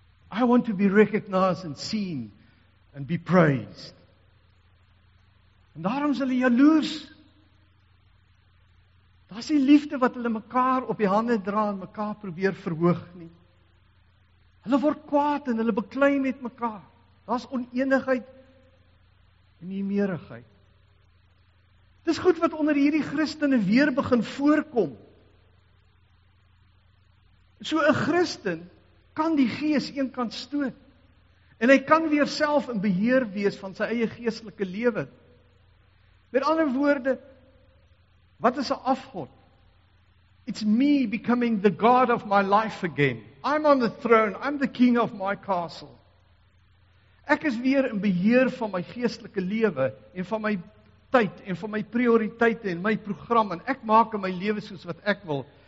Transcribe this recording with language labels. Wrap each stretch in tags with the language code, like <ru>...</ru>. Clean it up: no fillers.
<en>I want to be recognized and seen and be praised.</en> <af>En daarom is hulle jaloers. Daar's die liefde wat hulle mekaar op die hande dra en mekaar probeer verhoog nie. Hulle word kwaad en hulle beklei met mekaar. Daar's onenigheid en nimmerigheid. Dis goed wat onder hierdie Christene weer begin voorkom. So 'n Christen kan die gees een kant stoot en hy kan weer self in beheer wees van sy eie geestelike lewe. Met ander woorde, wat is 'n afgod?</af> <en>It's me becoming the god of my life again. I'm on the throne, I'm the king of my castle.</en> <af>Ek is weer in beheer van my geestelike lewe en van my tyd en van my prioriteite en my program en ek maak in my lewe soos wat ek wil.</af>